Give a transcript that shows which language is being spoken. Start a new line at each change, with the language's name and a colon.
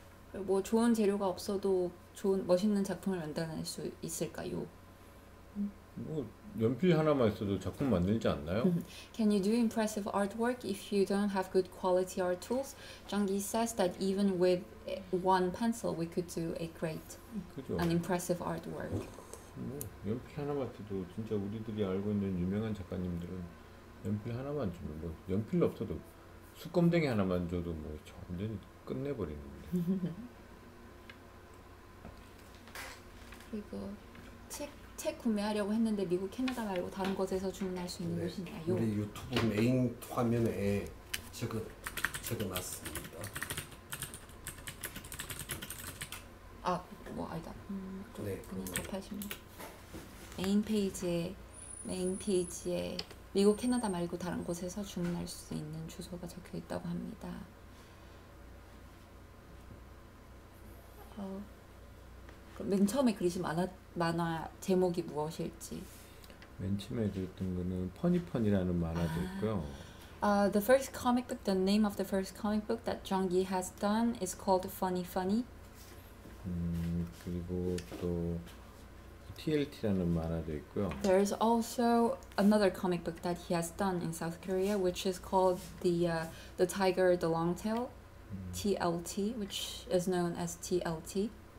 Korean: 그리고 뭐 좋은 재료가 없어도 좋은 멋있는 작품을 만들어낼 수 있을까요? 뭐 연필 하나만 있어도 작품 만들지 않나요?
English: Can you do impressive artwork if you don't have good quality art tools? Jeongi says that even with one pencil, we could do a great,
Korean: 그죠.
English: an impressive artwork.
Korean: 뭐 연필 하나만 있어도 진짜 우리들이 알고 있는 유명한 작가님들은 연필 하나만 주면 뭐 연필 없어도 숯검댕이 하나만 줘도 뭐 완전히 끝내버리는데. 그리고 책 구매하려고 했는데 미국 캐나다 말고 다른 곳에서 주문할 수 있는 곳인가요? 우리 유튜브 메인 화면에 적어놨습니다. 아, 뭐 아니다. 네. 그냥 답하시면 메인 페이지에 미국 캐나다 말고 다른 곳에서 주문할 수 있는 주소가 적혀 있다고 합니다. 맨 처음에 그리신 만화 제목이 무엇일지. 맨 처음에 그렸던 거는 퍼니펀이라는 만화도 있고요.
English: The first comic book, the name of the first comic book that Jeongi has done is called Funny Funny.
Korean: 그리고 또 TLT라는 만화도 있고요.
English: There is also another comic book that he has done in South Korea, which is called the Tiger, the Long Tail, TLT, which is known as TLT.